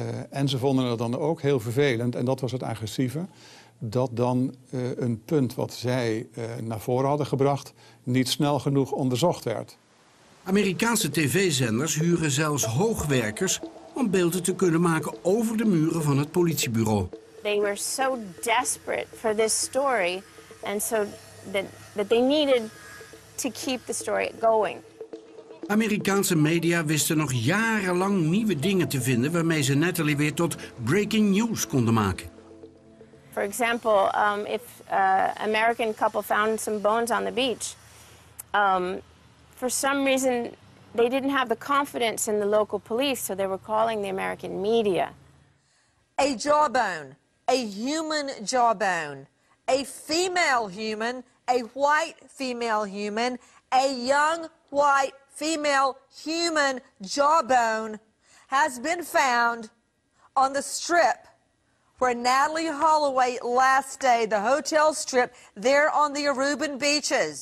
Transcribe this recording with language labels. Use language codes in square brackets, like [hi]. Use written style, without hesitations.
[nl] En ze vonden het dan ook heel vervelend, en dat was het agressieve, dat dan een punt wat zij naar voren hadden gebracht niet snel genoeg onderzocht werd. Amerikaanse tv-zenders huren zelfs hoogwerkers om beelden te kunnen maken over de muren van het politiebureau. [en] They were so desperate for this story and so that they needed to keep the story going. [nl] Amerikaanse media wisten nog jarenlang nieuwe dingen te vinden waarmee ze Nathalie weer tot breaking news konden maken. [en] For example, if an American couple found some bones on the beach, for some reason they didn't have the confidence in the local police, so they were calling the American media. A jawbone, a human jawbone, a female human, a white female human, a young white female human jawbone has been found on the strip where Nathalie Holloway last stayed, the hotel strip there on the Aruban beaches.